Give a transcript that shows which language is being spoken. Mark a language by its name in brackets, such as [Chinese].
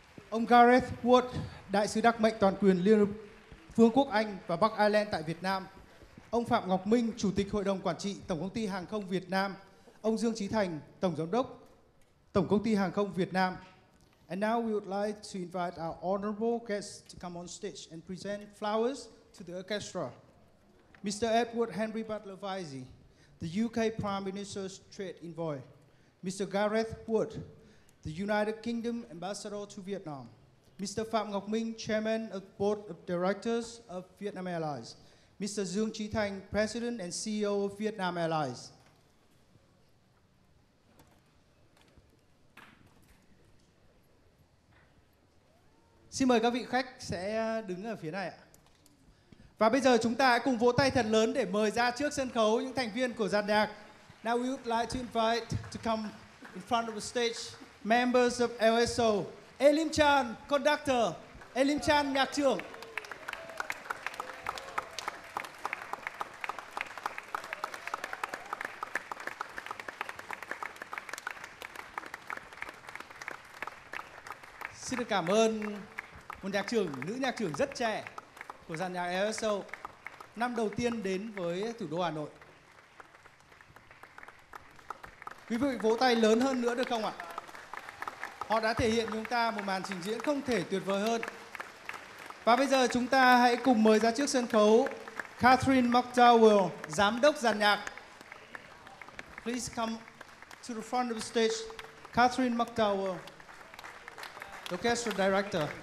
[Vietnamese] Ông Gareth Wood, đại sứ đặc mệnh toàn quyền Liên Vương quốc Anh và Bắc Ireland tại Việt Nam. Ông Phạm Ngọc Minh, Chủ tịch Hội đồng Quản trị Tổng công ty Hàng không Việt Nam. Ông Dương Chí Thành, Tổng giám đốc Tổng công ty Hàng không Việt Nam. [English] And now we would like to invite our honorable guests to come on stage and present flowers to the orchestra. Mr. Edward Henry Butler Vizey, the UK Prime Minister's Trade Envoy. Mr. Gareth Wood, the United Kingdom Ambassador to Vietnam. Mr. Phạm Ngọc Minh, Chairman of Board of Directors of Vietnam Airlines. Mr. Dương Chí Thành, President and CEO of Vietnam Airlines. [Vietnamese] Xin mời các vị khách sẽ đứng ở phía này ạ. Và bây giờ chúng ta hãy cùng vỗ tay thật lớn để mời ra trước sân khấu những thành viên của dàn nhạc. [English] Now we would like to invite to come in front of the stage members of LSO. Elim Chan, conductor. Elim Chan, [Vietnamese] nhạc trưởng. Xin được cảm ơn một nhạc trưởng, nữ nhạc trưởng rất trẻ của dàn nhạc LSO, năm đầu tiên đến với thủ đô Hà Nội. Quý vị vỗ tay lớn hơn nữa được không ạ? Họ đã thể hiện chúng ta một màn trình diễn không thể tuyệt vời hơn. Và bây giờ chúng ta hãy cùng mời ra trước sân khấu Catherine McDowell, giám đốc dàn nhạc. [English] Please come to the front of the stage, Catherine McDowell, orchestra director.